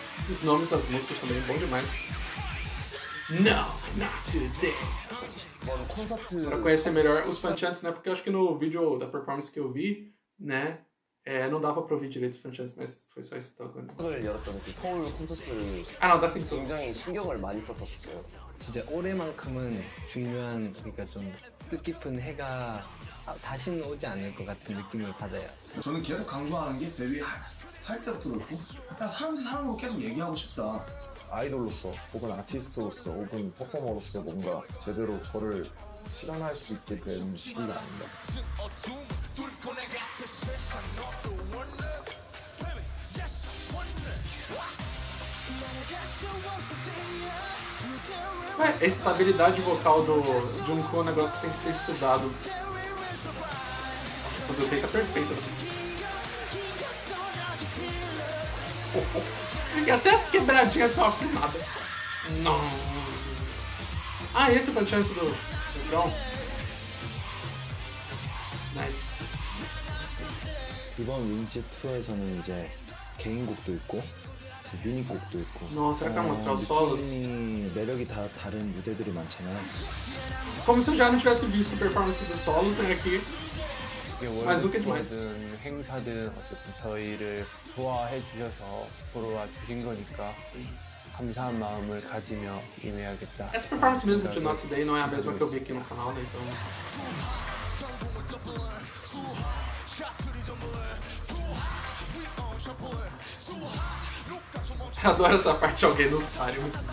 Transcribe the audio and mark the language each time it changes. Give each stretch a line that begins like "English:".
Portuguese: Os nomes das músicas também, bom demais.
English: No, not today.
Portuguese: Concerto. Para conhecer melhor os Fanchants, né? Porque eu acho que no vídeo da performance que eu vi, né, não dava para ouvir direito os Fanchants, mas foi só isso que eu vi.
Korean: 열었던 그 서울 콘서트. 아, 나 다시 또 굉장히 신경을 많이 썼었어요. 진짜 올해만큼은 중요한 그러니까 좀 뜻깊은 해가 다시는 오지 않을 것 같은 느낌을 받아요. 저는 계속 강조하는 게 데뷔 할 때부터 그렇고 그냥 사람들 사람으로 계속 얘기하고 싶다. 아이돌로서 혹은 아티스트로서 혹은 퍼포머로서 뭔가 제대로 저를 실현할 수 있게 된 시기가 아닌가. 왜
Portuguese: estabilidade vocal do Junko é um negócio que tem que ser estudado. Nossa, do jeito perfeito. E até as quebradinhas são afinadas. Não. Ah, esse é o Fanchants do Brown.
English: Nice.
Korean: 이번 윈즈 투어에서는 이제 개인곡도 있고 유닛곡도 있고.
Portuguese: Nossa, será que vai mostrar os solos?
Korean: 매력이 다 다른 무대들이 많잖아요.
Portuguese: Como se eu já não tivesse visto performance do solo, tem aqui. Mas nunca é demais.
Korean: 행사든 어쨌든 저희를 좋아해 주셔서 보러와 주신 거니까 감사한 마음을 가지며 임해야겠다.
Portuguese: Essa performance mesmo de Not Today não é a mesma que eu vi aqui no canal, né? Então... Eu adoro essa parte de alguém nos páreos.